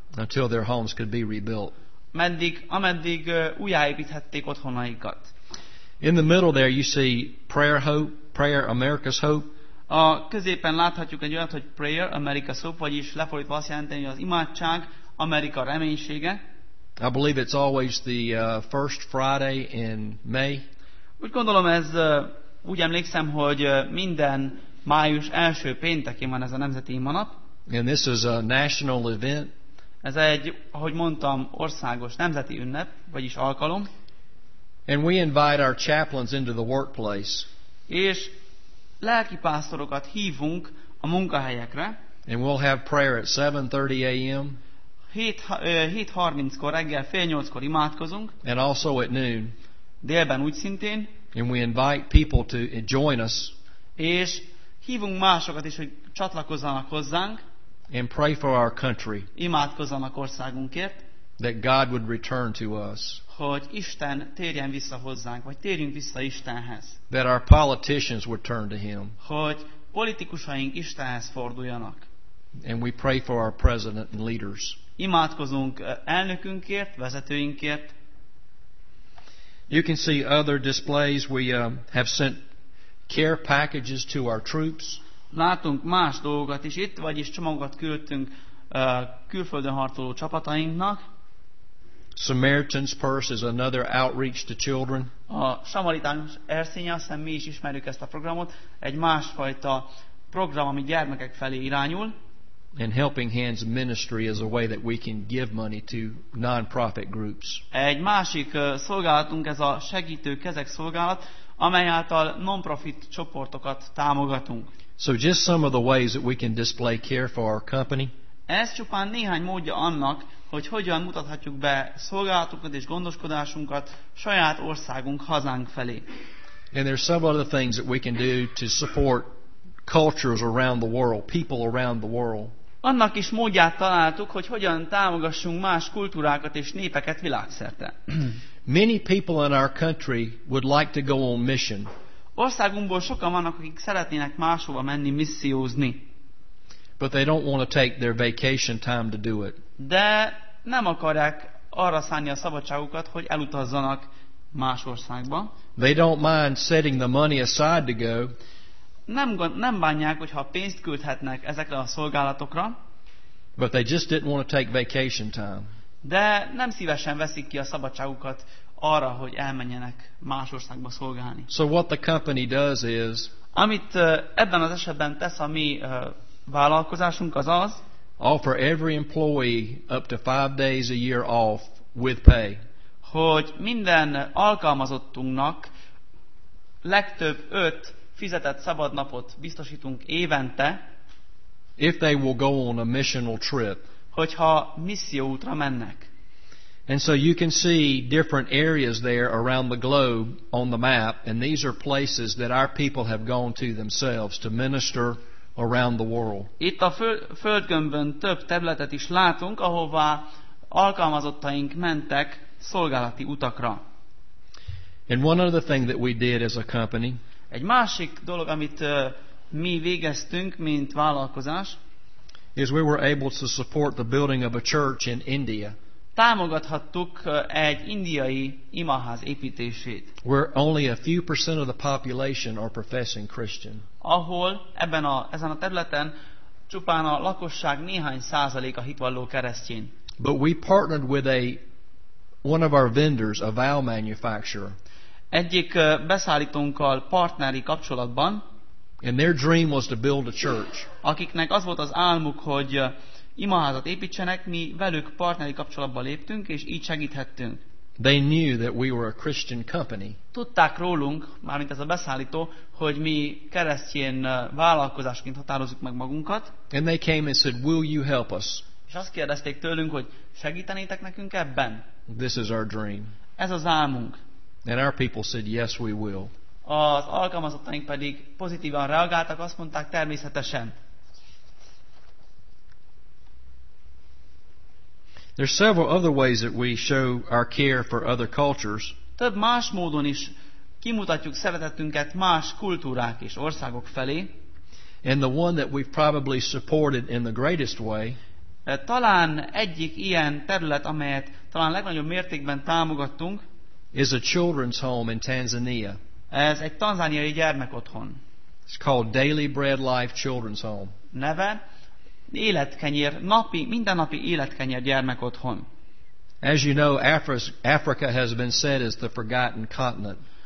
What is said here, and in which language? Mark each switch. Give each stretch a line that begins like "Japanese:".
English: Until their homes could be rebuilt.
Hungarian: Ameddig újjáépíthették otthonaikat.
English: In the middle there you see Prayer Hope, Prayer America's Hope.
Hungarian: A középen láthatjuk egy olyat, hogy Prayer America's Hope, vagyis lefordítva azt jelenteni, hogy az imádság Amerika reménysége.
English: I believe it's always the first Friday in May.
Hungarian: Úgy gondolom, ez úgy emlékszem, hogy minden május első péntekén van ez a nemzeti imanap.
English: And this is a national event.
Hungarian: Ez egy, ahogy mondtam, országos nemzeti ünnep, vagyis alkalom.
English: And we invite our chaplains into the workplace.
Hungarian: És lelkipásztorokat hívunk a munkahelyekre.
English: And we'll have prayer at 7:30 a.m.
Hungarian: 7:30-kor reggel, 7:30-kor imádkozunk.
English: And also at noon.
Hungarian: Délben úgy szintén.
English: And we invite people to join us.
Hungarian: És hívunk másokat is, hogy csatlakozzanak hozzánk.
English: And pray for our country.
Hungarian: Imádkozzanak országunkért.
English: That God would return to us.
Hungarian: Hogy Isten térjen vissza hozzánk, vagy térjünk vissza Istenhez.
English: That our politicians would turn to Him.
Hungarian: Hogy politikusaink Istenhez forduljanak.
English: And we pray for our president and leaders.
Hungarian: Imádkozunk elnökünkért, vezetőinkért.
English: You can see other displays. We have sent care packages to our troops.
Hungarian: Látunk más dolgokat is itt, vagyis csomagokat küldtünk külföldön harcoló csapatainknak.
English: Samaritan's Purse is another outreach to children.
Hungarian: A Samaritánus Erszénye, azt hiszem mi is ismerjük ezt a programot, egy másfajta program, ami gyermekek felé irányul.
English: And Helping Hands Ministry is a way that we can give money to non-profit groups.
Hungarian: Egy másik szolgálatunk, ez a Segítő Kezek szolgálat, amely által non-profit csoportokat támogatunk.
English: So just some of the ways that we can display care for our company.
Hungarian: Ez csupán néhány módja annak, hogy hogyan mutathatjuk be szolgálatunkat és gondoskodásunkat saját országunk, hazánk felé.
English: And there are several other things that we can do to support cultures around the world, people around the world.
Hungarian: Annak is módját találtuk, hogy hogyan támogassunk más kultúrákat és népeket világszerte.
English: Many people in our country would like to go on mission.
Hungarian: Országunkból sokan vannak, akik szeretnének máshova menni missziózni.
English: But they don't want to take their vacation time to do it.
Hungarian: De nem akarják arra szánni a szabadságukat, hogy elutazzanak más országba.
English: They don't mind setting the money aside to go.
Hungarian: Nem bánják, hogyha pénzt küldhetnek ezekre a szolgálatokra.
English: But they just didn't want to take vacation time.
Hungarian: De nem szívesen veszik ki a szabadságukat arra, hogy elmenjenek más országba szolgálni.
English: So what the company does is,
Hungarian: amit ebben az esetben tesz a mi vállalkozásunk, az az,
English: offer every employee up to 5 days a year off with pay.
Hungarian: Hogy minden alkalmazottunknak legtöbb 5 fizetett szabadnapot biztosítunk évente.
English: If they will go on a missional trip.
Hungarian: Hogyha misszióútra mennek.
English: And so you can see different areas there around the globe on the map, and these are places that our people have gone to themselves to minister around the world.
Hungarian: Itt a földgömbön több területet is látunk, ahová alkalmazottaink mentek szolgálati utakra.
English: And one other thing that we did as a company.
Hungarian: Egy másik dolog, amit mi végeztünk, mint vállalkozás.
English: Is we were able to support the building of a church in India.
Hungarian: Támogathattuk egy indiai imaház építését.
English: Where only a few percent of the population are professing Christian.
Hungarian: Ahol ezen a területen csupán a lakosság néhány százaléka hitvalló keresztény.
English: But we partnered with one of our vendors, a valve manufacturer.
Hungarian: Egyik beszállítónkkal partneri kapcsolatban.
English: And their dream was to build a church.
Hungarian: Akiknek az volt az álmuk, hogy imaházat építsenek, mi velük partneri kapcsolatba léptünk, és így segíthettünk.
English: They knew that we were a Christian company.
Hungarian: Tudták rólunk, mármint ez a beszállító, hogy mi keresztjén vállalkozásként határozunk meg magunkat.
English: And they came and said, "Will you help us?"
Hungarian: És azt kérdezték tőlünk, hogy segítenétek nekünk ebben?
English: This is our dream.
Hungarian: Ez az álmunk.
English: And our people said, "Yes, we will."
Hungarian: Az alkalmazottaink pedig pozitívan reagáltak, azt mondták, természetesen.
English: There's several other ways that we show our care for other cultures.
Hungarian: Több más módon is kimutatjuk szeretetünket más kultúrák és országok felé.
English: And the one that we've probably supported in the greatest way.
Hungarian: Talán egyik ilyen terület, amelyet talán legnagyobb mértékben támogattunk,
English: is a children's home in Tanzania.
Hungarian: Ez egy tanzániai gyermekotthon.
English: It's called Daily Bread Life Children's Home.
Hungarian: Neve életkenyér, mindennapi életkenyér gyermekotthon.
English: As you know, Africa has been said as the forgotten continent.